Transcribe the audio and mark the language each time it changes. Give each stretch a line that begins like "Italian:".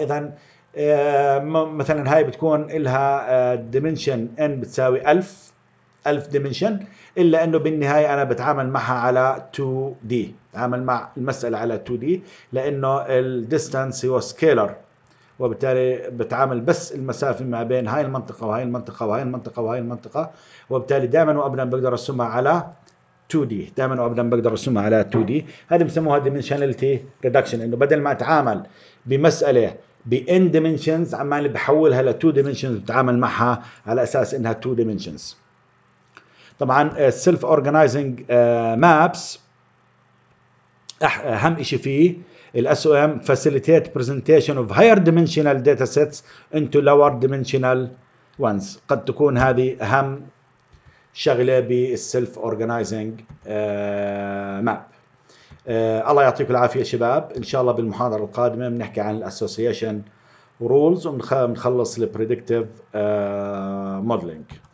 Arabic: إذن مثلا هاي بتكون لها ديمنشن N بتساوي 1000 ديمنشن، إلا أنه بالنهاية أنا بتعامل معها على 2D، بتعامل مع المسألة على 2D لأنه الديستانس هو سكيلر، وبالتالي بتعامل بس المسافة ما بين هاي المنطقة وهاي المنطقة وهاي المنطقة وهاي المنطقة، وبالتالي دائما وابدا بقدر ارسمها على 2D، دائما وابدا بقدر ارسمها على 2D. هذا بسموها dimensionality reduction، انه بدل ما اتعامل بمسألة ب n dimensions عمالي بحولها ل 2 dimensions، بتعامل معها على اساس انها 2 dimensions. طبعا
English: self organizing maps
Arabic: اهم اشي فيه
English: SOM facilitate presentation of higher dimensional data sets into lower dimensional ones.
Arabic: قد تكون هذه أهم شغلة بالسلف أورجانيزينج ماب. الله يعطيكم العافية شباب، إن شاء الله بالمحاضرة القادمة بنحكي عن الأسوسيشن رولز ونخلص البريدكتيف موديلينج.